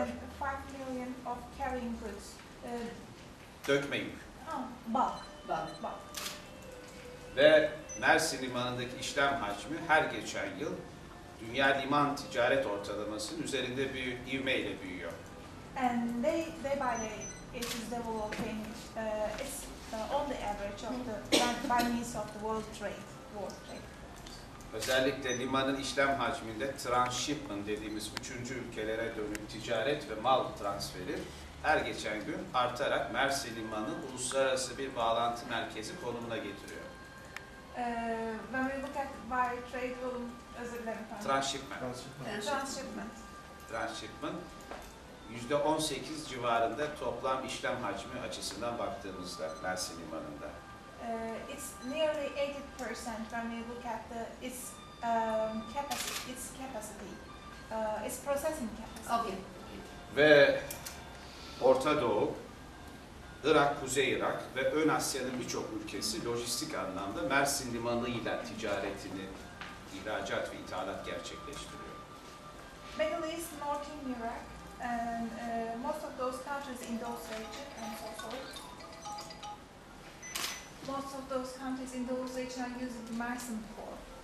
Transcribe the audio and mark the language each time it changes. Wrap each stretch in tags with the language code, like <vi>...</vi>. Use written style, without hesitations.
<en>And 5 million of carrying goods.</en> <tr>Dökme yük.</tr> <en>Bulk.</en> <tr>Ve Mersin limanındaki işlem hacmi her geçen yıl dünya liman ticaret ortalamasının üzerinde bir ivmeyle büyüyor.</tr> <en>And day by day it is developing, it's on the average of the by means of the world trade.</en> <tr>Özellikle limanın işlem hacminde transshipment dediğimiz üçüncü ülkelere dönük ticaret ve mal transferi her geçen gün artarak Mersin Limanı uluslararası bir bağlantı merkezi konumuna getiriyor.</tr> <en>When we look at by trade volume,</en> <tr>özür dilerim.</tr> <en>Transshipment.</en> <tr>%18 civarında toplam işlem hacmi açısından baktığımızda Mersin Limanı'nda.</tr> <en>It's nearly 80% when we look at the its processing capacity. Okay.</en> <tr>Ve Orta Doğu, Irak, Kuzey Irak ve Ön Asya'nın birçok ülkesi lojistik anlamda Mersin Limanı ile ticaretini, ihracat ve ithalat gerçekleştiriyor.</tr> <en>Middle East, Northern Iraq and most of those countries in those regions and so forth. Most of those countries in those regions are using the Mersin port.</en>